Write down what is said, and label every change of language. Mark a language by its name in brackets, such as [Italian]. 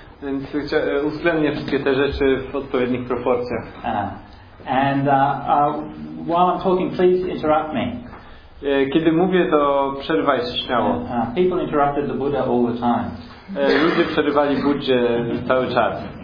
[Polish] Więc uwzględnię wszystkie te rzeczy w odpowiednich proporcjach. [English] And while I'm talking, please interrupt me. [Polish] Kiedy mówię, to przerywaj się śmiało. [English] People interrupted the Buddha all the time. [Polish] Ludzie przerywali Buddzie cały czas.